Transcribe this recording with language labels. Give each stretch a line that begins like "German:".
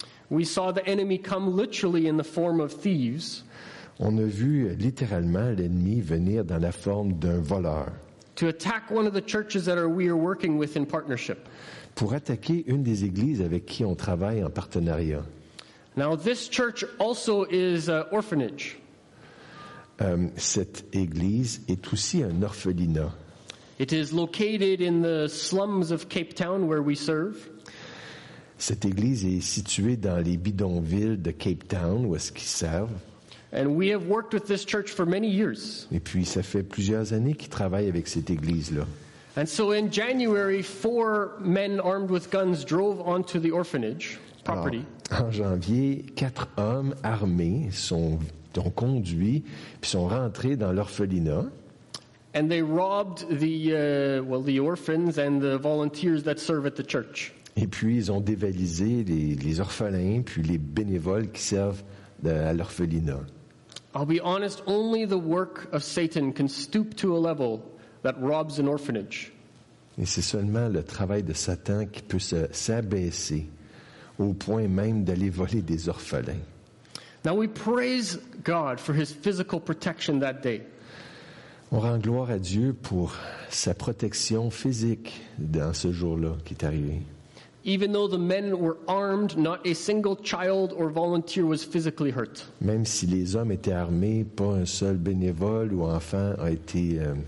English: we saw the enemy come literally in the form of thieves.
French: On a vu littéralement l'ennemi venir dans la forme d'un voleur.
English: To attack one of the churches that we are working with in partnership.
French: Pour attaquer une des églises avec qui on travaille en partenariat.
English: Now, this church also is an orphanage.
French: Cette église est aussi un orphelinat.
English: It is located in the slums of Cape Town where we serve.
French: Cette église est située dans les bidonvilles de Cape Town où est-ce qu'ils servent.
English: And we have worked with this church for many years.
French: Et puis ça fait plusieurs années qu'ils travaillent avec cette église-là.
English: And so in January, four men armed with guns drove onto the orphanage property.
French: Alors, en janvier, quatre hommes armés ont conduit puis sont rentrés dans l'orphelinat.
English: And they robbed the orphans and the volunteers that serve at the church.
French: Et puis ils ont dévalisé les orphelins puis les bénévoles qui servent à l'orphelinat.
English: I'll be honest, only the work of Satan can stoop to a level that robs an orphanage.
French: Et c'est seulement le travail de Satan qui peut s'abaisser au point même d'aller voler des orphelins.
English: Now we praise God for his physical protection that day.
French: On rend gloire à Dieu pour sa protection physique dans ce jour-là qui est arrivé.
English: Even though the men were armed, not a single child or volunteer was physically hurt.
French: Même si les hommes étaient armés, pas un seul bénévole ou enfant a été